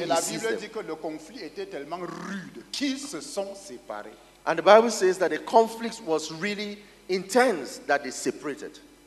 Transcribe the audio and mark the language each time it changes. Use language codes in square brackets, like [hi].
[fr] et [en] he sees them. [fr] La Bible dit que le conflit était tellement rude qu'ils se sont séparés. [en] And the Bible says that the conflict was really intense that they separated.